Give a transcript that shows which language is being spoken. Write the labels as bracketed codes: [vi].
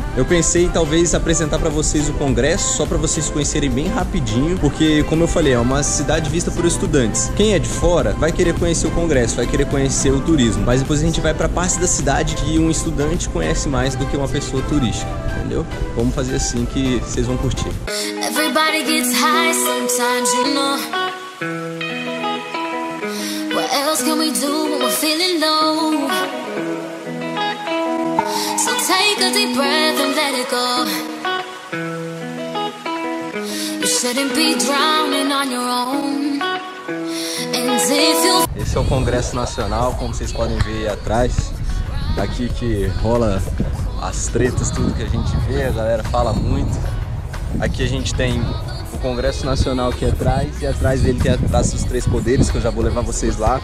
[pt] Eu pensei talvez apresentar para vocês o congresso, só para vocês conhecerem bem rapidinho, porque como eu falei, é uma cidade vista por estudantes. Quem é de fora vai querer conhecer o congresso, vai querer conhecer o turismo, mas depois a gente vai para a parte da cidade que um estudante conhece mais do que uma pessoa turística, entendeu? Vamos fazer assim que vocês vão curtir. [en] Everybody gets high sometimes, you know. What else can we do when we're feeling low? Take a deep breath and let it go. You shouldn't be drowning on your own. And if you... [pt] Esse é o Congresso Nacional, como vocês podem ver aí atrás. Daqui que rola as tretas, tudo que a gente vê, a galera fala muito. Aqui a gente tem o Congresso Nacional aqui atrás, e atrás dele tem a Praça dos Três Poderes, que eu já vou levar vocês lá.